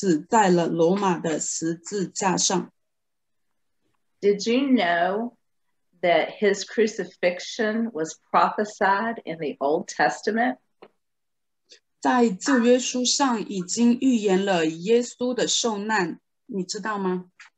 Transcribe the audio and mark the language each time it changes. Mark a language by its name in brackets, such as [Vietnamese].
[Chinese] 马太、马可、路加和约翰这四卷福音书上都记载了耶稣基督死在了罗马的十字架上。 [English] Did you know that his crucifixion was prophesied in the Old Testament? [Chinese] 在旧约书上已经预言了耶稣的受难，你知道吗？